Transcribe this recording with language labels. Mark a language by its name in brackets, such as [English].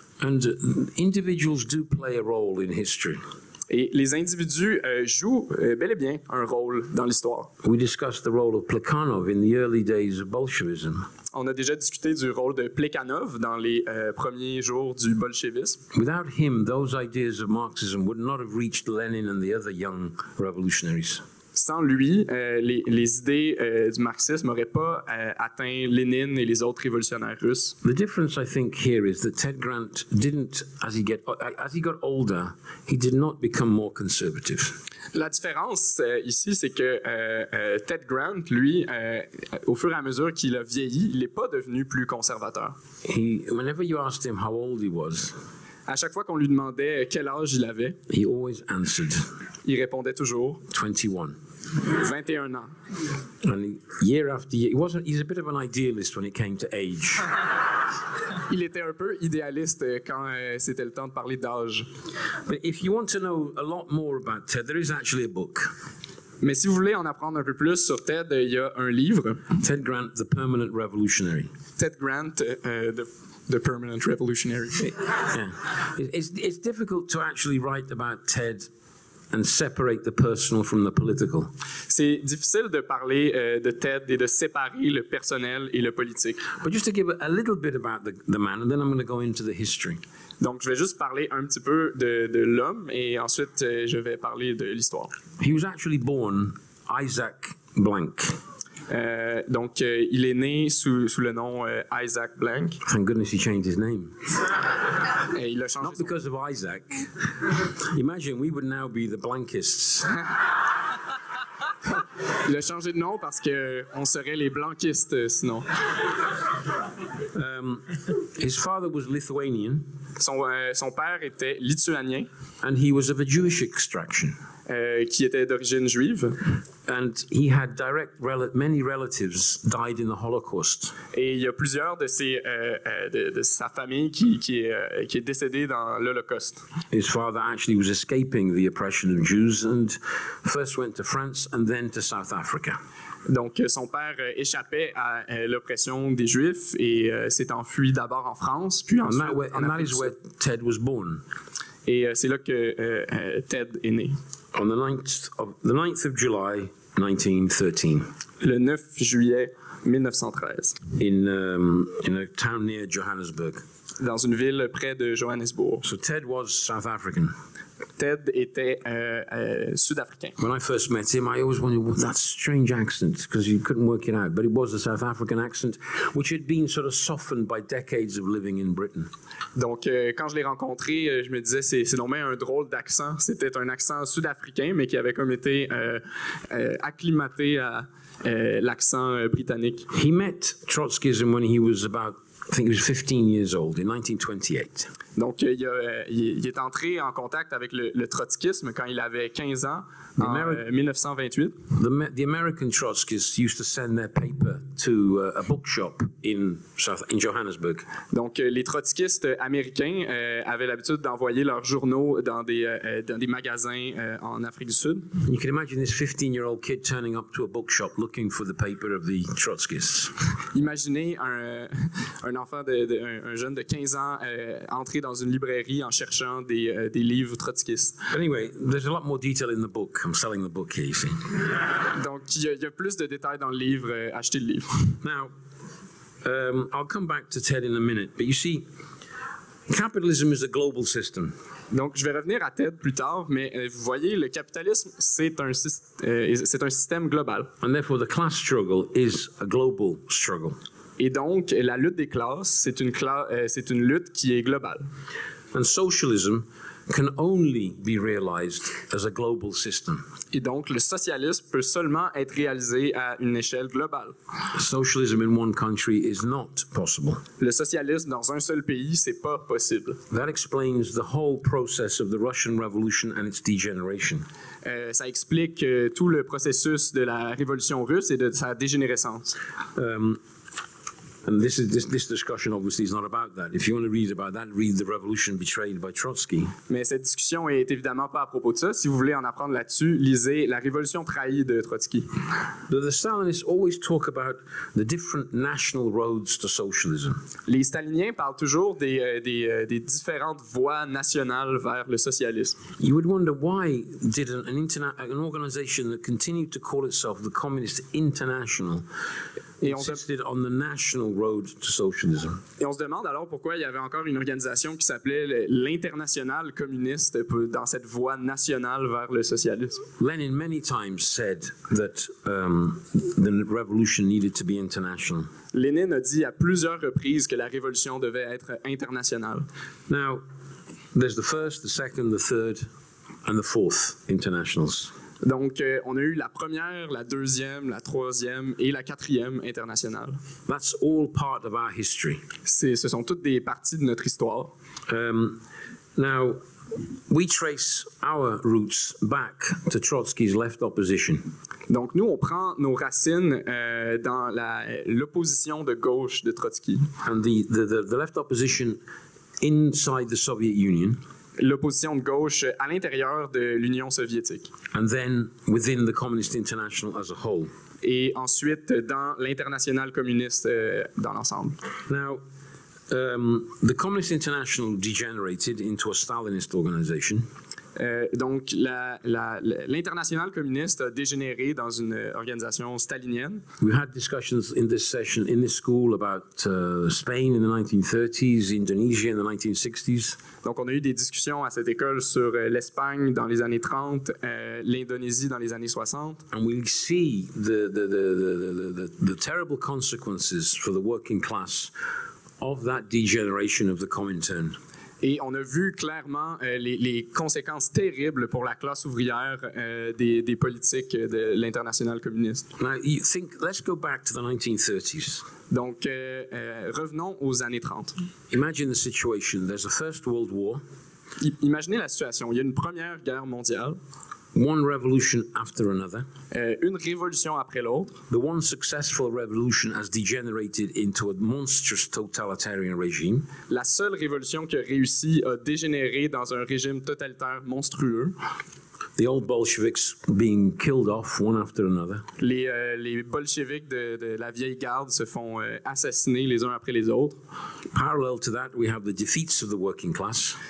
[English] And individuals do play a role in history. [French] Et les individus jouent bel et bien un rôle dans l'histoire. [English] We discussed the role of Plekhanov in the early days of Bolshevism. [French] On a déjà discuté du rôle de Plekhanov dans les premiers jours du bolchevisme. [English] Without him, those ideas of Marxism would not have reached Lenin and the other young revolutionaries. [French] Sans lui, les idées du marxisme n'auraient pas atteint Lénine et les autres révolutionnaires russes. [English] The difference, I think, here is that Ted Grant didn't, as he got older, he did not become more conservative. [French] La différence ici, c'est que Ted Grant, lui, au fur et à mesure qu'il a vieilli, il n'est pas devenu plus conservateur. [English] Whenever you asked him how old he was, [French] à chaque fois qu'on lui demandait quel âge il avait, [English] he always answered. [French] Il répondait toujours [English] 21. [French] 21 ans. [English] And year after year, he's a bit of an idealist when it came to age. [French] Il était un peu idéaliste quand c'était le temps de parler d'âge. [English] But if you want to know a lot more about Ted, there is actually a book. [French] Mais si vous voulez en apprendre un peu plus sur Ted, il y a un livre. [English] Ted Grant, The Permanent Revolutionary. Ted Grant, The Permanent Revolutionary. Yeah. It's difficult to actually write about Ted and separate the personal from the political. [French] C'est difficile de parler de Ted et de séparer le personnel et le politique. [English] But just to give a little bit about the man, and then I'm going to go into the history. [French] Donc, je vais juste parler un petit peu de l'homme, et ensuite, je vais parler de l'histoire. [English] He was actually born Isaac Blank. [French] Donc, il est né sous le nom Isaac Blank. [English] Thank goodness he changed his name. [French] Et il a changé son nom. [English] Not because of Isaac. Imagine, we would now be the Blankists. [French] Il a changé de nom parce qu'on serait les Blankistes, sinon. [English] His father was Lithuanian. [French] Son père était lituanien. [English] And he was of a Jewish extraction. [French] Qui était d'origine juive. [English] And he had many relatives died in the Holocaust. [French] Et il y a plusieurs de ses de sa famille qui est décédée dans l'Holocauste. [English] His father actually was escaping the oppression of Jews and first went to France and then to South Africa. [French] Donc son père échappait à l'oppression des Juifs et s'est enfui d'abord en France puis ensuite [English] and [French] en Afrique. [English] And that is where Ted was born. [French] Et c'est là que Ted est né. [English] On the 9th of July, 1913. [French] Le 9 juillet 1913. [English] In a town near Johannesburg. [French] Dans une ville près de Johannesburg. [English] So Ted was South African. [French] Ted était sud-africain. [English] When I first met him, I always wondered, well, that strange accent, because you couldn't work it out. But it was a South African accent, which had been sort of softened by decades of living in Britain. [French] Donc, quand je l'ai rencontré, je me disais, c'est normalement un drôle d'accent. C'était un accent sud-africain, mais qui avait comme été acclimaté à l'accent britannique. [English] He met Trotskyism when he was about, I think he was 15 years old, in 1928. [French] Donc, il est entré en contact avec le trotskisme quand il avait 15 ans, en 1928. [English] The American Trotskyists used to send their paper to a bookshop in Johannesburg. [French] Donc, les trotskistes américains avaient l'habitude d'envoyer leurs journaux dans des magasins en Afrique du Sud. [English] You can imagine this 15-year-old kid turning up to a bookshop looking for the paper of the Trotskyists. [French] Imaginez un jeune de 15 ans entrer dans une librairie en cherchant des livres trotskistes. [English] Anyway, there's a lot more detail in the book. I'm selling the book here, you see. [French] Donc, il y a plus de détails dans le livre. Achetez le livre. [English] Now, I'll come back to Ted in a minute, but you see, capitalism is a global system. [French] Donc, je vais revenir à Ted plus tard, mais vous voyez, le capitalisme, c'est un système global. [English] And therefore, the class struggle is a global struggle. [French] Et donc, la lutte des classes, c'est une lutte qui est globale. [English] And socialism can only be realized as a global system. [French] Et donc, le socialisme peut seulement être réalisé à une échelle globale. [English] Socialism in one country is not possible. [French] Le socialisme dans un seul pays, c'est pas possible. [English] That explains the whole process of the Russian Revolution and its degeneration. [French] Ça explique tout le processus de la révolution russe et de sa dégénérescence. [English] And this discussion obviously is not about that. If you want to read about that, read The Revolution Betrayed by Trotsky. [French] Mais cette discussion est évidemment pas à propos de ça. Si vous voulez en apprendre là-dessus, lisez La Révolution Trahie de Trotsky. [English] The Stalinists always talk about the different national roads to socialism. [French] Les Staliniens parlent toujours des différentes voies nationales vers le socialisme. [English] You would wonder why did an organization that continued to call itself the Communist International insisted on the national road to socialism. [French] Et on se demande alors pourquoi il y avait encore une organisation qui s'appelait l'International Communiste dans cette voie nationale vers le socialisme. [English] Lenin many times said that the revolution needed to be international. [French] Lénine a dit à plusieurs reprises que la révolution devait être internationale. [English] Now, there's the first, the second, the third, and the fourth internationals. [French] Donc, on a eu la première, la deuxième, la troisième et la quatrième internationale. [English] That's all part of our history. [French] Ce sont toutes des parties de notre histoire. [English] Now, we trace our roots back to Trotsky's left opposition. [French] Donc, nous, on prend nos racines dans l'opposition de gauche de Trotsky. [English] And the left opposition inside the Soviet Union. [French] L'opposition de gauche à l'intérieur de l'Union soviétique. [English] And then within the Communist International as a whole. [French] Et ensuite dans l'international communiste dans l'ensemble. [English] Now, the Communist International degenerated into a Stalinist organization. [French] Donc, l'international communiste a dégénéré dans une organisation stalinienne. [English] We had discussions in this session, in this school, about Spain in the 1930s, Indonesia in the 1960s. [French] Donc, on a eu des discussions à cette école sur l'Espagne dans les années 30, l'Indonésie dans les années 60. [English] And we'll see the terrible consequences for the working class of that degeneration of the Comintern. [French] Et on a vu clairement les conséquences terribles pour la classe ouvrière des politiques de l'international communiste. [English] Now, you think, let's go back to the 1930s. [French] Donc, revenons aux années 30. [English] Imagine the situation. There's a First World War. [French] Imaginez la situation. Il y a une Première Guerre mondiale. [English] One revolution after another. [French] Une révolution après l'autre. [English] The one successful revolution has degenerated into a monstrous totalitarian regime. [French] La seule révolution qui a réussi a dégénéré dans un régime totalitaire monstrueux. [English] The old Bolsheviks being killed off one after another. [French] Les bolcheviks de la vieille garde se font assassiner les uns après les autres. [English] Parallel to that, we have the defeats of the working class.